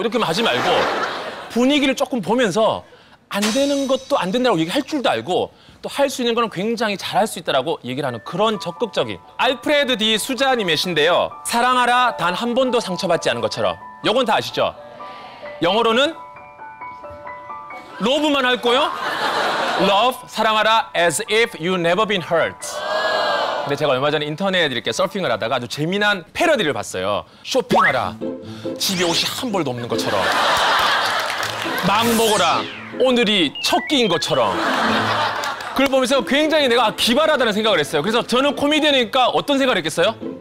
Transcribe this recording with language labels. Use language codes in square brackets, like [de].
[ko] 이렇게만 하지 말고 분위기를 조금 보면서 안 되는 것도 안 된다고 얘기할 줄도 알고 또 할 수 있는 건 굉장히 잘할 수 있다고 얘기를 하는 그런 적극적인 알프레드 디 수자님이신데요. 사랑하라 단 한 번도 상처받지 않은 것처럼 이건 다 아시죠? 영어로는 러브만 할 거요? [en] Love, [ko] 사랑하라, [en] as if you never been hurt. [ko] 근데 제가 얼마 전에 인터넷에 이렇게 서핑을 하다가 아주 재미난 패러디를 봤어요. 쇼핑하라, 집에 옷이 한 벌도 없는 것처럼. 막 먹어라, 오늘이 첫 끼인 것처럼. 그걸 보면서 굉장히 내가 기발하다는 생각을 했어요. 그래서 저는 코미디언이니까 어떤 생각을 했겠어요?